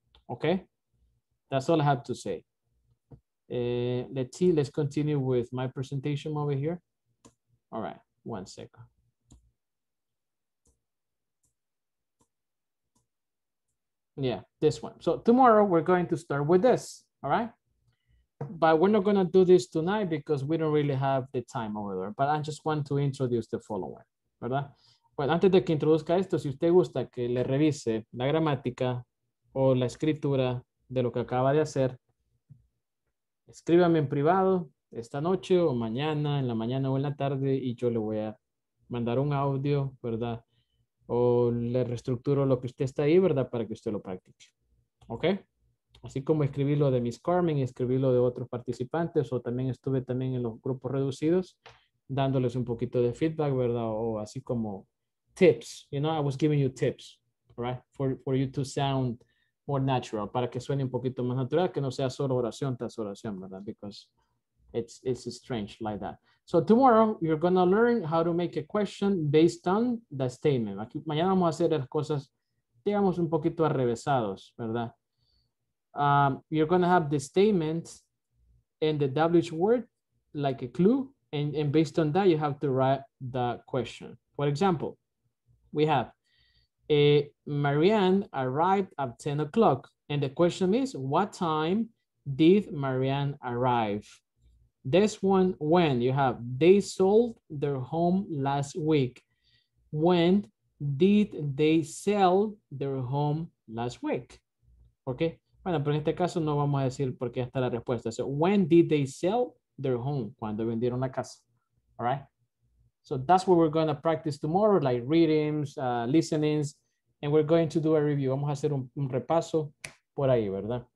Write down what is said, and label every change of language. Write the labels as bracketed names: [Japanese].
[English] Okay? That's all I have to say. Let's see. Let's continue with my presentation over here. All right. One second. Yeah, this one. So tomorrow we're going to start with this, all right? But we're not going to do this tonight because we don't really have the time over there. But I just want to introduce the following, [Spanish] ¿verdad? Bueno, antes de que introduzca esto, si usted gusta que le revise la gramática o la escritura de lo que acaba de hacer, escríbame en privado esta noche o mañana, en la mañana o en la tarde, y yo le voy a mandar un audio, ¿verdad? O le reestructuro lo que usted está ahí, ¿verdad? Para que usted lo practique. ¿Ok? Así como escribí lo de Miss Carmen y escribí lo de otros participantes, o también estuve también en los grupos reducidos, dándoles un poquito de feedback, ¿verdad? O así como tips, [English] you know, I was giving you tips, right? For you to sound more natural, [Spanish] para que suene un poquito más natural, que no sea solo oración tras oración, ¿verdad? [English] Because it's strange like that. So tomorrow, you're going to learn how to make a question based on the statement. [Spanish] Aquí, mañana vamos a hacer las cosas, digamos, un poquito arrevesados, ¿verdad? [English] You're going to have the statement and the WH word like a clue. And based on that, you have to write the question. For example, we have Marianne arrived at 10 o'clock. And the question is, what time did Marianne arrive? This one, when, you have, they sold their home last week. When did they sell their home last week? Okay. [Spanish] Bueno, pero en este caso no vamos a decir por qué está la respuesta. [English] So, when did they sell their home? [Spanish] Cuando vendieron la casa. [English] All right. So, that's what we're going to practice tomorrow, like readings, listenings, and we're going to do a review. [Spanish] Vamos a hacer un repaso por ahí, ¿verdad?